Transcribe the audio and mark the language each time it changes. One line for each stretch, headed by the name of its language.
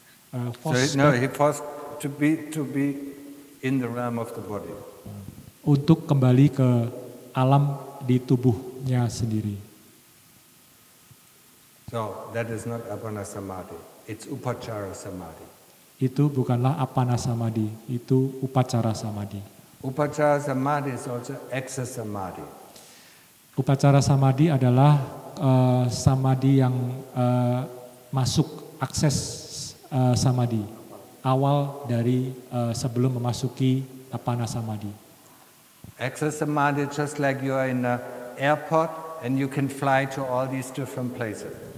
English: He forced to be in the realm of the body.
Indonesian: Untuk kembali ke alam di tubuhnya sendiri.
English: So that is not apana samadhi. It's upacara samadhi.
Indonesian: Itu bukanlah apana samadhi. Itu upacara samadhi.
English: Upacara samadhi is also excess samadhi.
Indonesian: Upacara samadhi adalah samadhi yang masuk akses. samadhi, awal dari sebelum memasuki apana samadhi.
English: Access samadhi just like you are in an airport and you can fly to all these different places.